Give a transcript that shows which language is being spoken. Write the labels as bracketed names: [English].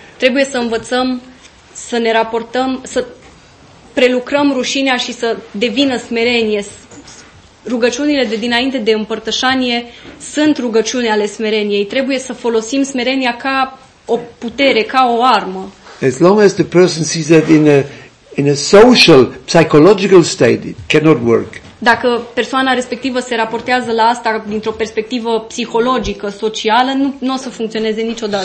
[Romanian] Trebuie să învățăm să ne raportăm, să prelucrăm rușinea și să devină smerenie. Rugăciunile de dinainte de împărtășanie sunt rugăciuni ale smereniei. Trebuie să folosim smerenia ca o putere, ca o armă. [English] As long as the person sees that in a social, psychological state, it cannot work. [Romanian] Dacă persoana respectivă se raportează la asta dintr-o perspectivă psihologică, socială, nu o să funcționeze niciodată.